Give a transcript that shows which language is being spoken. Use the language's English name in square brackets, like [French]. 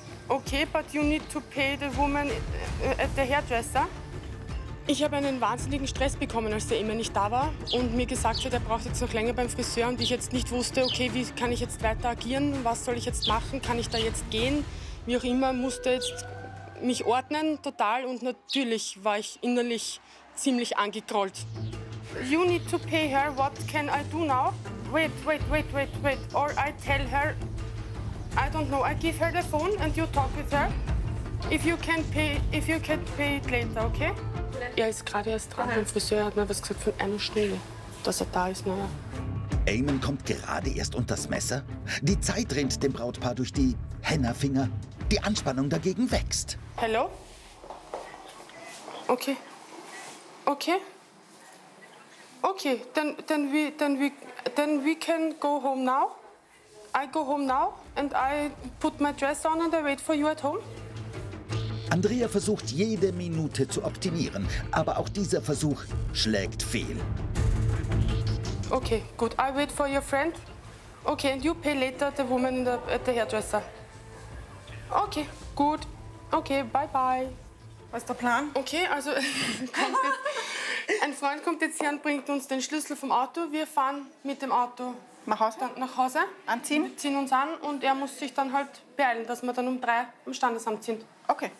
[English] Okay, but you need to pay the woman at the hairdresser. [German] Ich habe einen wahnsinnigen Stress bekommen, als der immer nicht da war und mir gesagt hat, er braucht jetzt noch länger beim Friseur und ich jetzt nicht wusste, okay, wie kann ich jetzt weiter agieren, was soll ich jetzt machen, kann ich da jetzt gehen? Wie auch immer, musste jetzt mich ordnen total und natürlich war ich innerlich ziemlich angegrollt. [English] You need to pay her, what can I do now? Wait. Or I tell her, I don't know, I give her the phone and you talk with her. If you can pay it later, okay? [German] Er ist gerade erst dran. Der Friseur hat mir was gesagt von einer Stunde, dass er da ist. Naja. Eamon kommt gerade erst unter das Messer. Die Zeit rennt dem Brautpaar durch die Hennafinger. Die Anspannung dagegen wächst. Hallo? Okay. Okay. [English] Okay, then we can go home now. I go home now and I put my dress on and I wait for you at home. [German] Andrea versucht jede Minute zu optimieren, aber auch dieser Versuch schlägt fehl. [English] Okay, good. I wait for your friend. Okay, and you pay later the woman in the hairdresser. Okay, good. Okay, bye bye. [German] Was ist der Plan? Okay, also ein Freund kommt jetzt hier und bringt uns den Schlüssel vom Auto. Wir fahren mit dem Auto nach Hause. Anziehen. Wir ziehen uns an und er muss sich dann halt beeilen, dass wir dann um 3 am Standesamt sind. Okay.